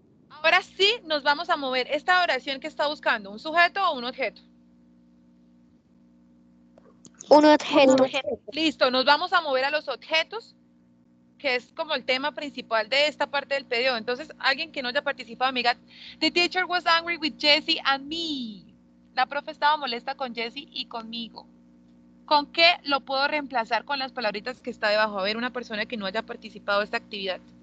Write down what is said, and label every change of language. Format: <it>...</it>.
<es>Ahora sí, nos vamos a mover esta oración que está buscando. ¿Un sujeto o un objeto? Un objeto. Listo, nos vamos a mover a los objetos, que es como el tema principal de esta parte del periodo. Entonces, alguien que no haya participado, amiga,</es> <en>the teacher was angry with Jesse and me.</en> <es>La profe estaba molesta con Jesse y conmigo. ¿Con qué lo puedo reemplazar con las palabritas que está debajo? A ver, una persona que no haya participado de esta actividad.</es>